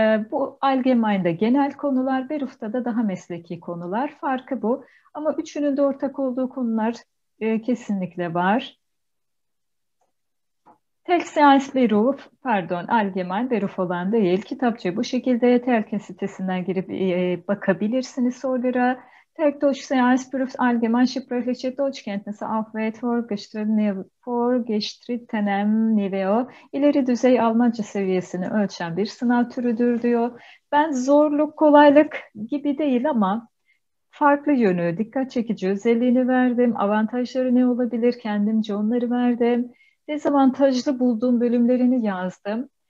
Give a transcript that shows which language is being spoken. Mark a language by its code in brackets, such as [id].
[tr] Bu Allgemeine'de genel konular, Beruf'ta da daha mesleki konular. Farkı bu. Ama üçünün de ortak olduğu konular kesinlikle var. TELG Seans Beruf, pardon, Allgemein Beruf olan değil. Kitapçı bu şekilde TELG'in sitesinden girip bakabilirsiniz sorulara. [de] TELG Deutsch Seans Beruf, Allgemein Sprachliche Deutschkenntnisse auf weit vorgeschrittenem Niveau. [tr] İleri düzey Almanca seviyesini ölçen bir sınav türüdür diyor. Ben zorluk, kolaylık gibi değil ama farklı yönü, dikkat çekici özelliğini verdim. Avantajları ne olabilir? Kendimce onları verdim. Dezavantajlı bulduğum bölümlerini yazdım.